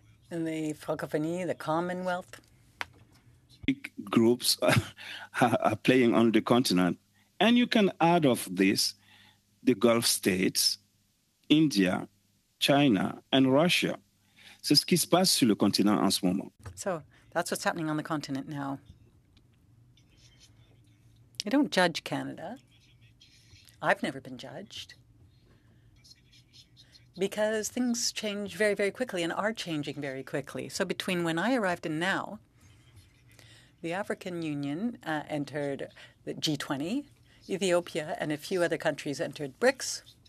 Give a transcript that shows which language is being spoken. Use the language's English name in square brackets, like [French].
[English] And the Francophonie, the Commonwealth. Big groups are playing on the continent. And you can add of this the Gulf states, India, China, and Russia. [French] C'est ce qui se passe sur le continent en ce moment. [English] So that's what's happening on the continent now. I don't judge Canada. I've never been judged. Because things change very, very quickly and are changing very quickly. So between when I arrived and now, the African Union entered the G20, Ethiopia, and a few other countries entered BRICS.